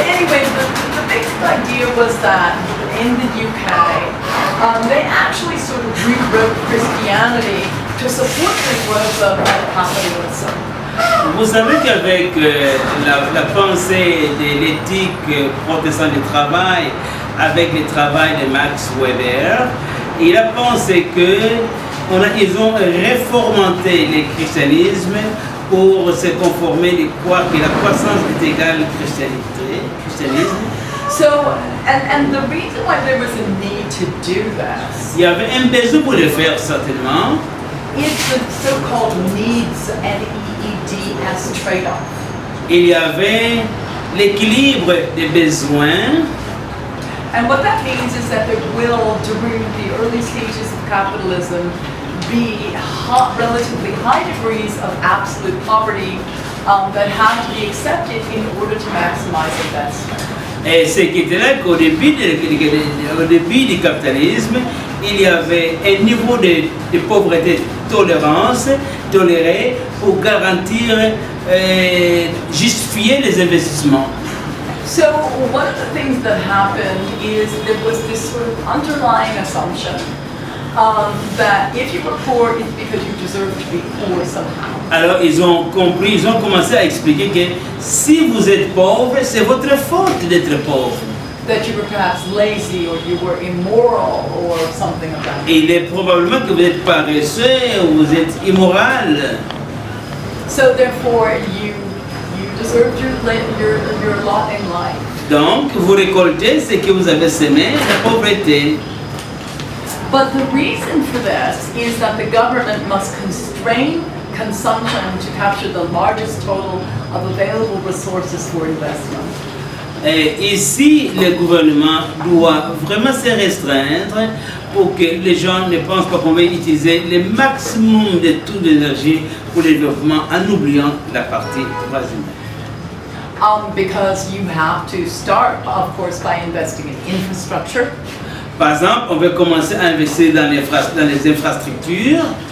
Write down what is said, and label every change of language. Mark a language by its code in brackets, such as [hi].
[en] anyway, the basic idea was that in the UK, they actually sort of rewrote Christianity to support the growth of capitalism. [fr] Vous savez qu'avec la pensée de l'éthique protestante du travail, avec le travail de Max Weber, il a pensé qu'ils ont réformanté le christianisme pour se conformer de croire que la croissance est égale au christianisme. [en] So, and the reason why there was a need to do this. [fr] Il y avait un besoin pour le faire certainement. [en] It's the so-called needs and EEDS trade-off. [fr] Il y avait l'équilibre des besoins. [en] And what that means is that there will, during the early stages of capitalism, be relatively high degrees of absolute poverty that have to be accepted in order to maximize investment. [fr] Et ce qui était là qu'au début du capitalisme, il y avait un niveau de pauvreté tolérance, tolérée pour garantir, justifier les investissements. [en] So, one of the things that happened is there was this sort of underlying assumption that if you were poor, it's because you deserve to be poor somehow. [fr] Alors, ils ont compris, ils ont commencé à expliquer que si vous êtes pauvre, c'est votre faute d'être pauvre. [en] That you were perhaps lazy or you were immoral or something like that. [fr] Et il est probablement que vous êtes paresseux ou vous êtes immoral. [en] So therefore, you deserved your lot in life. [fr] Donc, vous récoltez ce que vous avez semé, la pauvreté. [en] But the reason for this is that the government must constrain consumption to capture the largest total of available resources for investment. [fr] Et ici, le gouvernement doit vraiment se restreindre pour que les gens ne pensent pas qu'on va utiliser le maximum de taux d'énergie pour le développement en oubliant la partie droits humains. [en] Because you have to start, of course, by investing in infrastructure. [fr] Par exemple, on veut commencer à investir dans les infrastructures.